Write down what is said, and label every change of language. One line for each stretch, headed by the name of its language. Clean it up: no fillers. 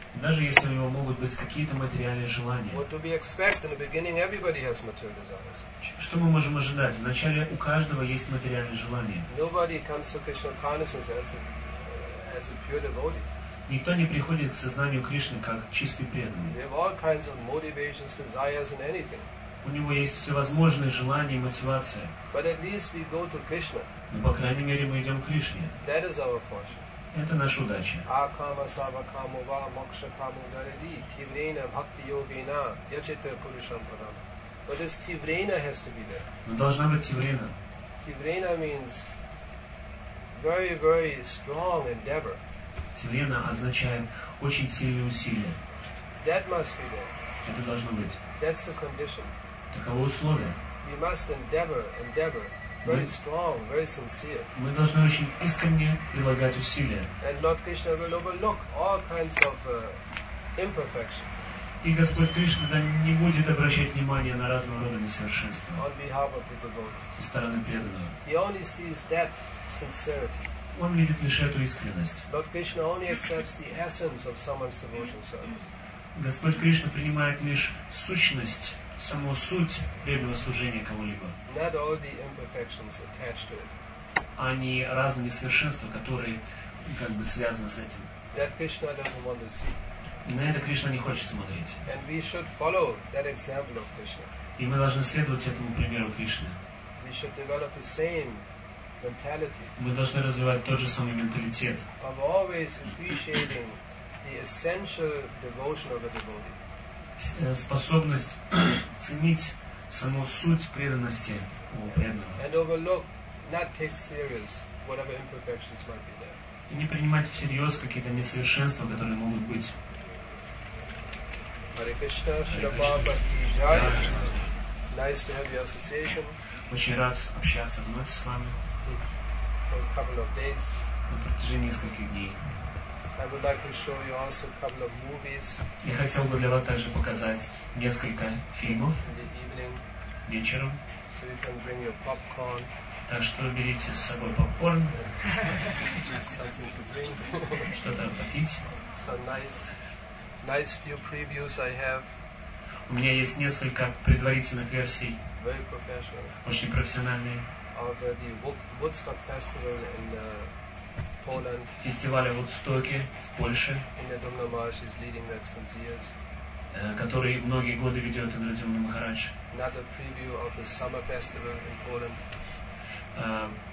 Russian: Даже если у него могут быть какие-то материальные желания.
English: What do we expect? In the beginning, everybody has material desires.
Russian: Что мы можем ожидать? Вначале у каждого есть материальные желания.
English: Nobody comes to Krishna consciousness as a pure devotee.
Russian: Никто не приходит к сознанию Кришны как чистый преданный.
English: We have all kinds of motivations, desires, and anything.
Russian: У него есть всевозможные желания и мотивация.
English: But at least we go to Krishna.
Russian: Но, по крайней мере, мы идем к Кришне.
English: That is our fortune.
Russian: Это наша удача.
Sanskrit: Акама савакаму ва мокша каму гареди тиврена бхакти йогина ячете пурушам парам.
English: But this тиврена has to be there.
Russian: Но должна быть тиврена.
English: Тиврена means very, very strong endeavor.
Russian: Тиврена означает очень сильные усилия.
English: That must be there.
Russian: Это должно быть.
English: That's the condition.
Russian: Таково условие.
English: We must endeavor. Very strong, very sincere.
Russian: Мы должны очень искренне прилагать усилия.
English: And Lord Krishna will overlook all kinds of imperfections.
Russian: И Господь Кришна не будет обращать внимания на разного рода несовершенства.
English: On behalf of the devotee.
Russian: Со стороны преданного.
English: He only sees that sincerity.
Russian: Он видит лишь эту искренность.
English: Lord Krishna only accepts the essence of someone's devotion service.
Russian: Господь Кришна принимает лишь сущность. Саму суть преданного служения кого-либо.
English: Not all the imperfections attached to it.
Russian: А не разные несовершенства, которые как бы связаны с этим.
English: That Krishna doesn't want to see.
Russian: На это Кришна не хочет смотреть.
English: And we should follow that example of Krishna.
Russian: И мы должны следовать этому примеру Кришны.
English: We should develop the same mentality.
Russian: Мы должны развивать тот же самый менталитет.
English: Of always appreciating the essential devotion of a devotee.
Russian: Способность ценить саму суть преданности у преданного.
English: And overlook, not take serious whatever imperfections might be there.
Russian: И не принимать всерьез какие-то несовершенства, которые могут быть.
English: Hare Krishna, Shri Prabhupada ki jai. Nice to have your association.
Russian: Очень рад общаться вновь с вами.
English: For a couple of days.
Russian: На протяжении нескольких дней.
English: I would like to show you also a couple of movies.
Russian: Я хотел бы для вас также показать несколько фильмов.
English: In the evening.
Russian: Вечером.
English: So you can bring your popcorn.
Russian: Так что берите с собой попкорн.
English: Something to drink.
Russian: Что-то попить.
English: Some nice few previews I have.
Russian: У меня есть несколько предварительных версий.
English: Very professional.
Russian: Очень профессиональные.
English: Of the Woodstock Festival in
Russian: фестиваля в Удстоке, в Польше.
English: Инна Думна Марш is leading that since years.
Russian: который многие годы ведет Индрадюмна Махарадж.
English: Another preview of the summer festival in Poland.